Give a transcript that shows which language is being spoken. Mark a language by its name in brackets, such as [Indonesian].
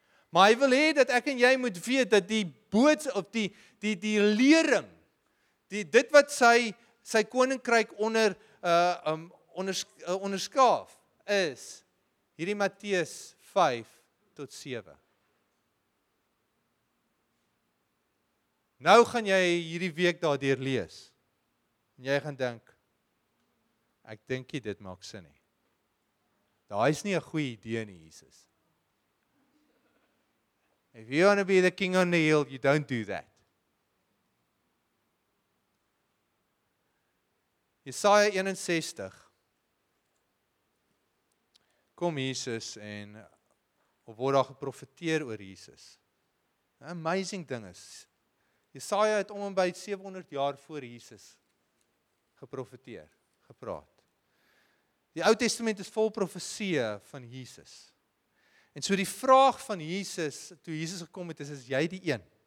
[Afrikaans] Maar hy wil hê dat ek en jy moet weet dat die boodskap op die lering, die dit wat sy koninkryk onder onderskaaf is hierdie Matteus 5 tot 7. Nou gaan jy hierdie week daardeur lees. En jy gaan dink, ek dink jy dit maak sin nie. Daai is nie 'n goeie idee nie, Jesus. [English] If you want to be the king on the hill, you don't do that. [Afrikaans] Jesaja 61. Kom Jesus en op word daar geprofeteer oor Jesus. Amazing ding is, Jesaja het om en by 700 jaar voor Jesus geprofeteer, gepraat. Die Ou Testament is vol profeseë van Jesus. En so die vraag van Jesus, toe Jesus gekom het, is jy die een?